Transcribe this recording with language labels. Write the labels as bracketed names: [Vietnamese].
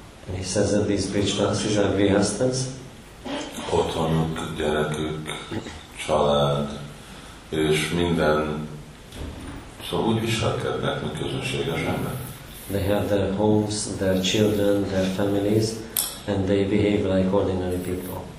[English] And he says that these Vrijvasis are grihasthas. [Hungarian] Otthonuk, gyerekük, család, és minden. Szóval úgy viselkednek, mint közönséges ember. [English] They have their homes, their children, their families, and they behave like ordinary people.